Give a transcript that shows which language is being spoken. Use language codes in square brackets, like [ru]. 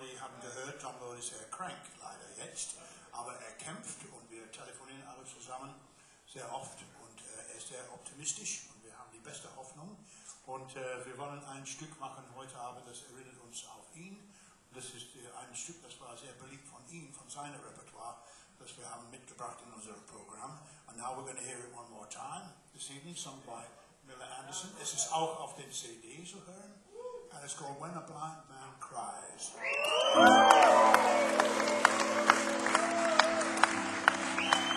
[en] You haven't heard, [de] John Lord is Herr Crank, leider jetzt, aber kämpft, und wir telefonieren alle zusammen sehr oft, und er ist sehr optimistisch, und wir haben die beste Hoffnung, und wir wollen ein Stück machen heute Abend, das erinnert uns auf ihn. Das ist ein Stück, das war sehr beliebt von ihm, von seinem Repertoire, das wir haben mitgebracht in unserem Programm. [en] And now we're going to hear it one more time this evening, sung by Miller Anderson. [de] Es ist auch auf den CDs zu hören. [en] And it's called When a Blind Man Cries.